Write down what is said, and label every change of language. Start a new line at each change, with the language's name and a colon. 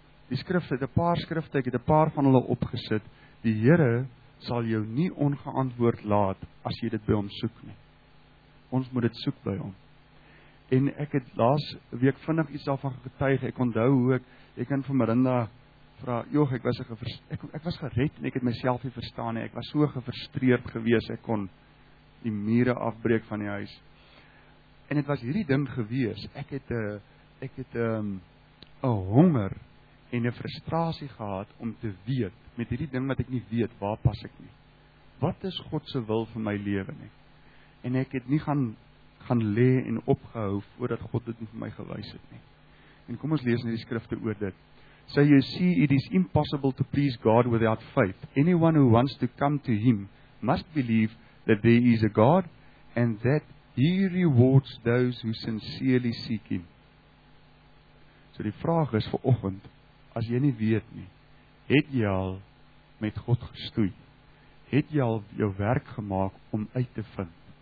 Afrikaans: Die skrifte, het 'n paar skrifte, ek het 'n paar van hulle opgesit. Die Here sal jou nie ongeantwoord laat as jy dit by hom soek nie. Ons moet dit soek by hom. En ek het laas week vinnig iets daarvan getuig. Ek onthou hoe ek kan vir Marinda vra, "Jog, ek was gered en ek het myself nie verstaan nie. Ek was so gefrustreerd gewees. Ek kon die mure afbreek van die huis." En het was hierdie ding gewees. Ek het 'n honger en 'n frustrasie gehad om te weet met hierdie ding wat ek nie weet waar pas ek nie. Wat is God se wil vir my lewe nie? En ek het nie gaan lê en opgehou voordat God dit vir my gewys het nie. En kom ons lees in die skrifte oor dit.
English: So you see, it is impossible to please God without faith. Anyone who wants to come to him must believe that there is a God and that he rewards those who sincerely seek him.
Afrikaans: So die vraag is vir oggend, as jy nie weet nie, het jy al met God gestoei? Het jy al jou werk gemaak om uit te vind?